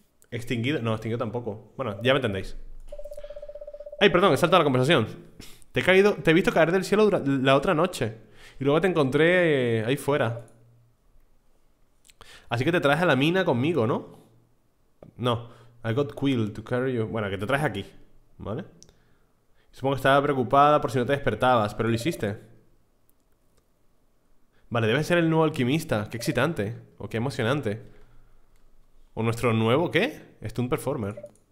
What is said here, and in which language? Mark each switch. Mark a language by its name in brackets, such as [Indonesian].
[Spanish] Extinguido. No, extinguido tampoco. Bueno, ya me entendéis. ¡Ay, perdón! He saltado la conversación. Te he visto caer del cielo la otra noche. Y luego te encontré ahí fuera. Así que te traes a la mina conmigo, ¿no? [English] No, I got quill to carry you. [Spanish] Bueno, que te traes aquí, ¿vale? Supongo que estaba preocupada por si no te despertabas, pero lo hiciste. Vale, debe ser el nuevo alquimista. Qué excitante. O qué emocionante. O nuestro nuevo, ¿qué? Stunt Performer.